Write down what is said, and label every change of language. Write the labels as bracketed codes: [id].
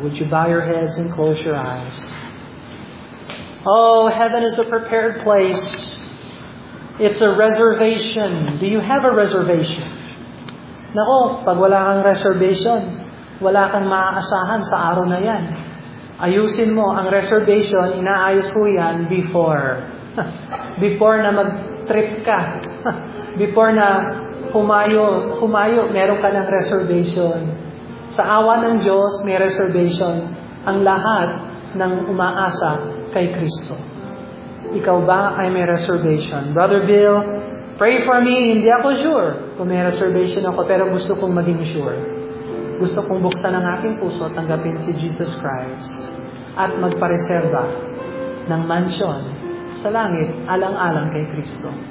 [en] Would you bow your heads and close your eyes? Oh, heaven is a prepared place. It's a reservation. Do you have a reservation? [tl] Nako, pag wala kang reservation, wala kang maaasahan sa araw na yan. Ayusin mo, ang reservation, inaayos ko yan before. Before na mag-trip ka. Before na humayo, meron ka ng reservation. Sa awa ng Diyos, may reservation ang lahat ng umaasa kay Kristo. Ikaw ba ay may reservation? Brother Bill, pray for me. Hindi ako sure kung may reservation ako, pero gusto kong maging sure. Gusto kong buksan ang aking puso at tanggapin si Jesus Christ at magpareserba ng mansyon sa langit alang-alang kay Kristo.